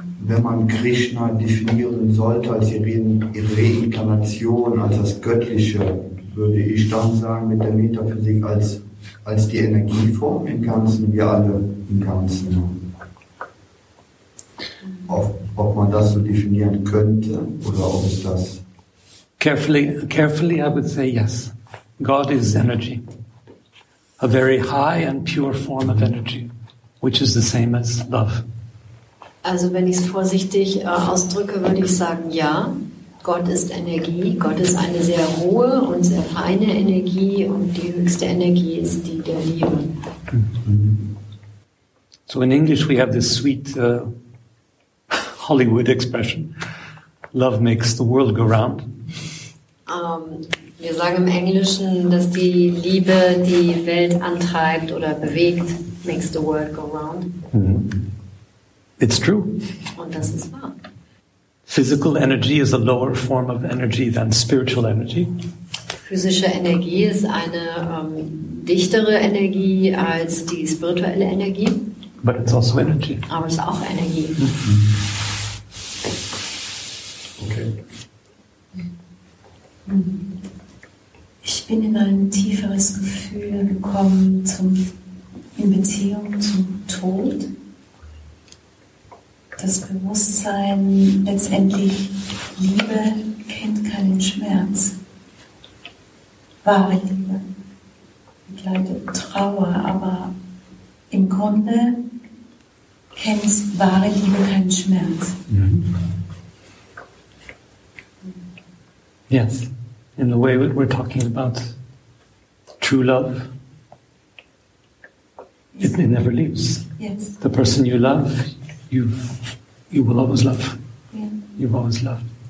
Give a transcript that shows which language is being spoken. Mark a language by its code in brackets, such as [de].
[de] Wenn man Krishna definieren sollte als Reinkarnation, als das Göttliche, würde ich dann sagen, mit der Metaphysik als die Energieform im Ganzen, wir alle im Ganzen. Ob man das so definieren könnte oder ob es das... [en] Carefully, I would say yes. God is energy. A very high and pure form of energy, which is the same as love. [de] Also wenn ich es vorsichtig ausdrücke, würde ich sagen, ja, Gott ist Energie. Gott ist eine sehr hohe und sehr feine Energie und die höchste Energie ist die der Liebe. Mm-hmm. [en] So in English we have this sweet Hollywood expression, love makes the world go round. [de] Wir sagen im Englischen, dass die Liebe die Welt antreibt oder bewegt. [en] Makes the world go round. Mm-hmm. It's true. [de] Und das ist wahr. [en] Physical energy is a lower form of energy than spiritual energy. [de] Physische Energie ist eine dichtere Energie als die spirituelle Energie. [en] But it's also energy. [de] Aber es ist auch Energie. Mm-hmm. Okay. Ich bin in ein tieferes Gefühl gekommen in Beziehung zum Tod. das Bewusstsein letztendlich Liebe kennt keinen Schmerz. Wahre Liebe begleitet Trauer, aber im Grunde kennt wahre Liebe keinen Schmerz. Mm-hmm. [en] Yes, in the way we're talking about true love, it never leaves. Yes. The person you love, you will always love. Yeah. You've always loved.